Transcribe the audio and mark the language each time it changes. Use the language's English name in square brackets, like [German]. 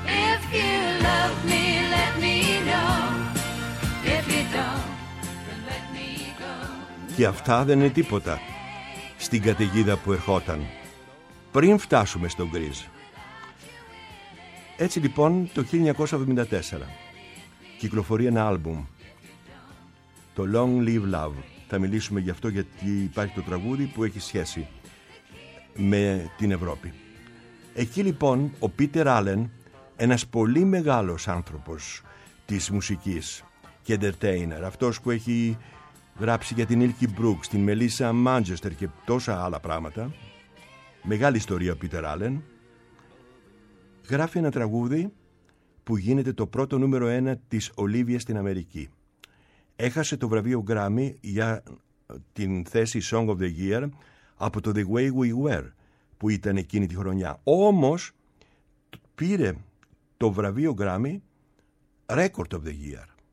[English] If you love me, let me know. If you don't, then let me go. [Greek] Και αυτά δεν είναι τίποτα στην καταιγίδα που ερχόταν πριν φτάσουμε στον Γκρίζ. Έτσι λοιπόν το 1974 κυκλοφορεί ένα άλμπουμ, το Long Live Love. Θα μιλήσουμε γι' αυτό, γιατί υπάρχει το τραγούδι που έχει σχέση με την Ευρώπη. Εκεί λοιπόν ο Πίτερ Άλεν, ένας πολύ μεγάλος άνθρωπος της μουσικής και entertainer, αυτός που έχει γράψει για την Ίλκη Μπρουκς, την Μελίσσα Μάντζεστερ και τόσα άλλα πράγματα, μεγάλη ιστορία ο Πίτερ Άλεν, γράφει ένα τραγούδι που γίνεται το πρώτο νούμερο ένα της Ολίβια στην Αμερική. Έχασε το βραβείο Grammy για την θέση Song of the Year από το The Way We Were που ήταν εκείνη τη χρονιά. Όμως πήρε το βραβείο Grammy Record of the Year.